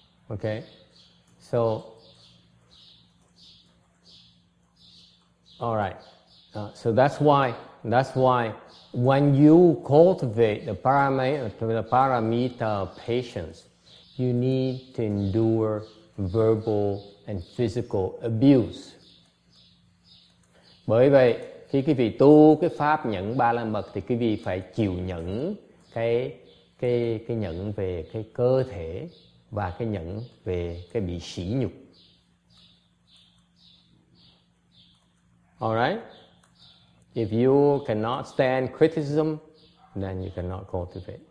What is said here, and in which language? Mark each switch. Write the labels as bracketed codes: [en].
[en] Okay. So, all right. So that's why when you cultivate the paramita of patience, you need to endure verbal and physical abuse. [vi] Bởi vậy, khi quý vị tu cái pháp nhẫn ba la mật thì quý vị phải chịu nhẫn cái nhẫn về cái cơ thể và cái nhẫn về cái bị sỉ nhục. [en] Alright? If you cannot stand criticism, then you cannot cultivate.